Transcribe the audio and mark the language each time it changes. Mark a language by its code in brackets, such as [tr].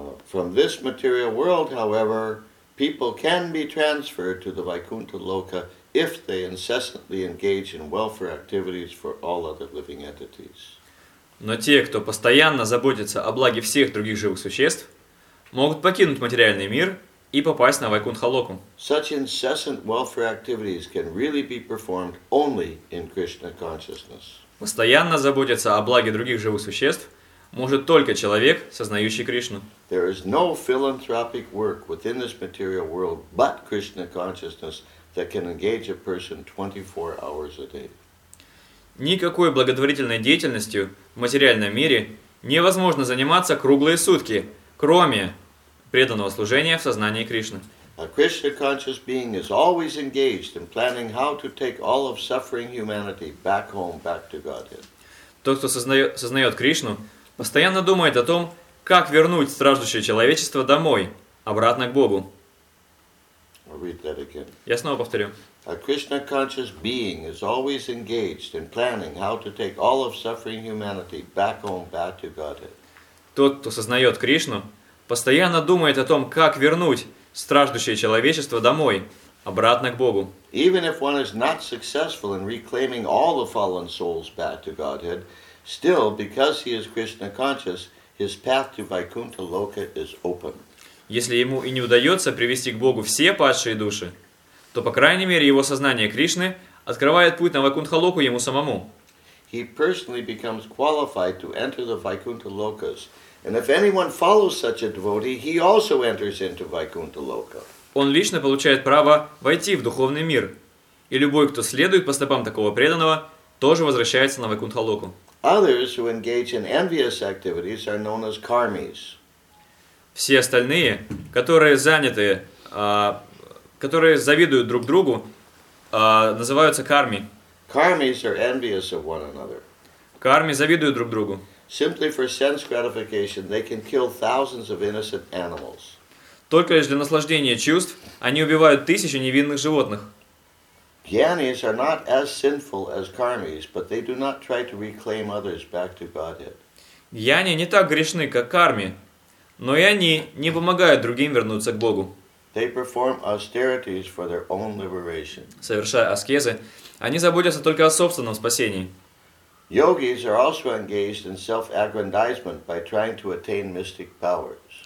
[en] From this material world, however, people can be transferred to the Vaikuntha loka if they incessantly engage in welfare activities for all other living entities. [ru] Но те, кто постоянно заботится о благе всех других живых существ, могут покинуть материальный мир и попасть на Вайкунтха-локу. [en] Such incessant welfare activities can really be performed only in Krishna consciousness. [ru] Постоянно заботиться о благе других живых существ может только человек, сознающий Кришну. [en] There is no philanthropic work within this material world but Krishna consciousness that can engage a person 24 hours a day. [ru] Никакой благотворительной деятельностью в материальном мире невозможно заниматься круглые сутки, кроме преданного служения в сознании Кришны. [en] A Krishna-conscious being is always engaged in planning how to take all of suffering humanity back home, back to Godhead. [ru] Тот, кто сознает Кришну, постоянно думает о том, как вернуть страждущее человечество домой, обратно к Богу. [en] I'll read that again. [ru] Я снова повторю. [en] A Krishna-conscious being is always engaged in planning how to take all of suffering humanity back home, back to Godhead. [ru] Тот, кто сознает Кришну, постоянно думает о том, как вернуть страждущее человечество домой, обратно к Богу. [en] Even if one is not successful in reclaiming all the fallen souls back to Godhead, still, because he is Krishna-conscious, his path to Vaikuntha Loka is open. [ru] Если ему и не удается привести к Богу все падшие души, то, по крайней мере, его сознание Кришны открывает путь на Вайкунтха-локу ему самому. [en] He personally becomes qualified to enter the Vaikuntha lokas. And if anyone follows such a devotee, he also enters into Vaikuntha loka. [ru] Он лично получает право войти в духовный мир. И любой, кто следует по стопам такого преданного, тоже возвращается на Вайкунтха-локу. [en] Others who engage in envious activities are known as karmis. [ru] Все остальные, которые заняты, которые завидуют друг другу, называются карми. [en] Karmis are envious of one another. [ru] Карми завидуют друг другу. [en] Simply for sense gratification, they can kill thousands of innocent animals. [ru] Только лишь для наслаждения чувств они убивают тысячи невинных животных. [en] Gyanis are not as sinful as karmis, but they do not try to reclaim others back to Godhead. [ru] Gyani не так грешны, как карми, но и они не помогают другим вернуться к Богу. [en] They perform austerities for their own liberation. [ru] Совершая аскезы, они заботятся только о собственном спасении. [en] Yogis are also engaged in self-aggrandizement by trying to attain mystic powers.